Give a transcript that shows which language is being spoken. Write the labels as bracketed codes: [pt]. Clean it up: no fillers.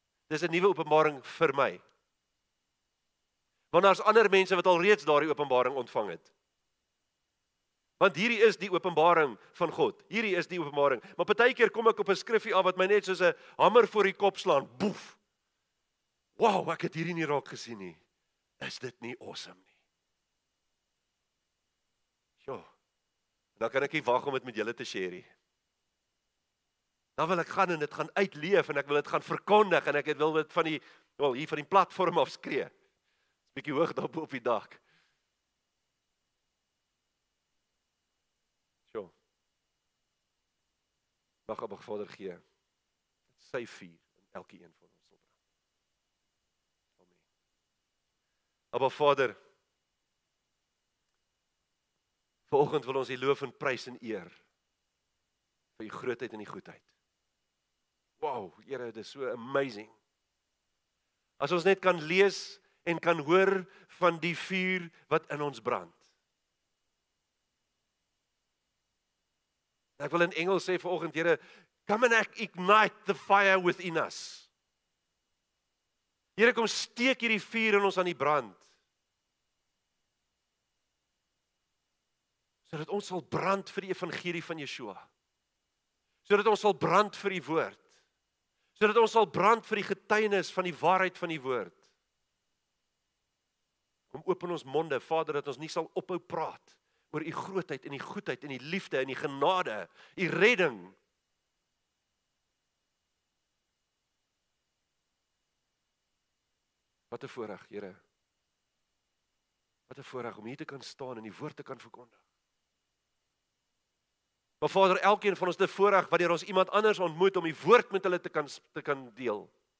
[af] Dis 'n nuwe openbaring vir my. Want daar's ander mense wat alreeds daardie openbaring ontvang het. Want hierdie is die openbaring van God. Hierdie is die openbaring. Maar partykeer kom ek op 'n skrifgie af wat my net soos 'n hamer voor die kop slaan. Boef! Wow, ek het hierdie nie raak gesien nie. Is dit nie awesome? Ja, dan kan ek nie wag om dit met julle te share. Dan wil ek gaan en dit gaan uitleef en ek wil dit gaan verkondig en ek wil dit van die, wel hier van die platform af skree. Is bietjie hoog daar bo op die dak. Ja. Mag Abba Vader gee dat sy vuur in elke een van ons sal brand. Amen. Abba Vader, Vanoggend wil ons die loof en prys en eer vir die grootheid en die goedheid. Wow, Here, dit is so amazing. As ons net kan lees en kan hoor van die vuur wat in ons brand. Ek wil in Engels sê vanoggend, Here, [en] come and ignite the fire within us. [af] Here, kom steek hierdie vuur in ons aan die brand. Sodat ons sal brand vir die evangelie van Yeshua. Sodat ons sal brand vir die woord. Sodat ons sal brand vir die getuienis van die waarheid van die woord. Kom open ons monde, Vader, dat ons nie sal ophou praat oor die grootheid en die goedheid en die liefde en die genade, die redding. Wat 'n voorreg, Here. Wat 'n voorreg om hier te kan staan en die woord te kan verkondig. Maar Vader, elkeen van ons te voorreg wanneer ons iemand anders ontmoet om die woord met hulle te kan deel.